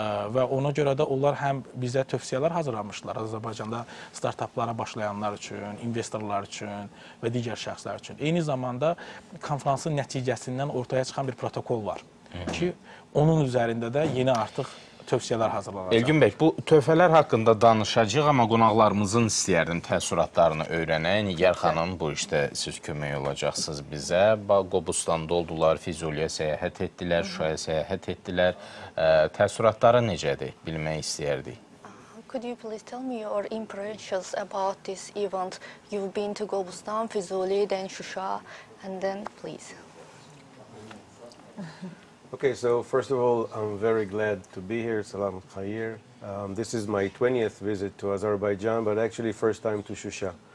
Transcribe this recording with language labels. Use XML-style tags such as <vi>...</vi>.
<az>Və ona görə də onlar həm bizə tövsiyələr hazırlamışdılar Azərbaycanda startaplara başlayanlar üçün, investorlar üçün və digər şəxslər üçün. Eyni zamanda konferansın nəticəsindən ortaya çıxan bir protokol var ki, onun üzərində də yeni artıq</az> <tr>tövsiyeler hazırlanacak. Elgün Bey, bu tövfeler hakkında danışacağız ama qonaqlarımızın istiyordum təsiratlarını öğrenen Nigar Hanım, bu işte siz kömək olacaksınız bize.</tr> <az>Qobustanda oldular, Füzuliyə səyahət etdiler, Şuşaya səyahət etdiler. Təsiratları necədir, bilmək istiyordum.</az> <en>Could you please tell me your impressions about this event? You've been to Qobustan, Füzuli, then Şuşa, and then please. Okay, so first of all, I'm very glad to be here. Salam Khair. This is my 20th visit to Azerbaijan, but actually first time to Şuşa.</en>